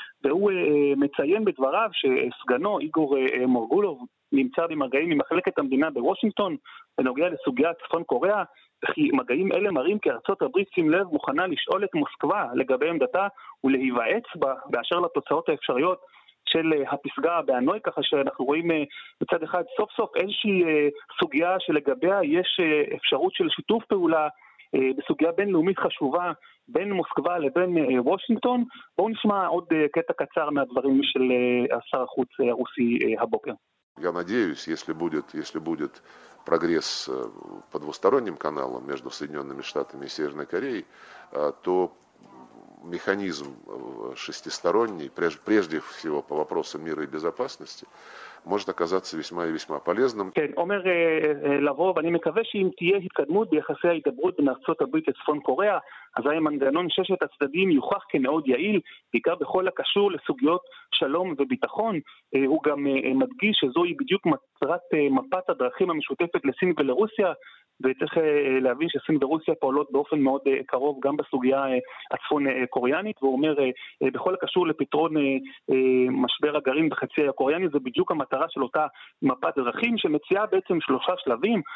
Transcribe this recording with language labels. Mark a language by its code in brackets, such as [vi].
[he] והוא מציין בדבריו שסגנו איגור מורגולוב נמצא במגעים עם מחלקת המדינה בוושינגטון בנוגע לסוגיה צפון קוריאה, כי מגעים אלה מראים כי ארצות הברית, שים לב, מוכנה לשאול את מוסקבה לגבי עמדתה ולהיוועץ בה באשר לתוצאות האפשריות של הפסגה בהנוי, ככה שאנחנו רואים בצד אחד סוף סוף איזושהי סוגיה שלגביה יש אפשרות של שיתוף פעולה בסוגיה בינלאומית חשובה בין מוסקבה לבין וושינגטון. בואו נשמע עוד קטע קצר מהדברים של השר החוץ הרוסי הבוקר. [ru] Я надеюсь, если будет прогресс по двусторонним каналам между Соединенными Штатами и Северной Кореей, то механизм шестисторонний, прежде всего по вопросам мира и безопасности, может оказаться весьма и весьма полезным. [he] כן, אומר לרוב, אני מקווה שאם תהיה התקדמות ביחסי ההתדברות בין ארצות הברית לצפון קוריאה, אז היה מנגנון ששת הצדדים יוכח כמאוד יעיל, בעיקר בכל הקשור לסוגיות שלום וביטחון. הוא גם מדגיש שזוהי בדיוק מטרת מפת הדרכים המשותפת לסין ולרוסיה, וצריך להבין שסין ורוסיה פועלות באופן מאוד קרוב גם בסוגיה הצפון קוריאנית, והוא אומר בכל הקשור לפתרון משבר הגרעין בחצי הקוריאני, זה בדיוק המטרה של אותה מפת דרכים שמציעה בעצם שלושה שלבים.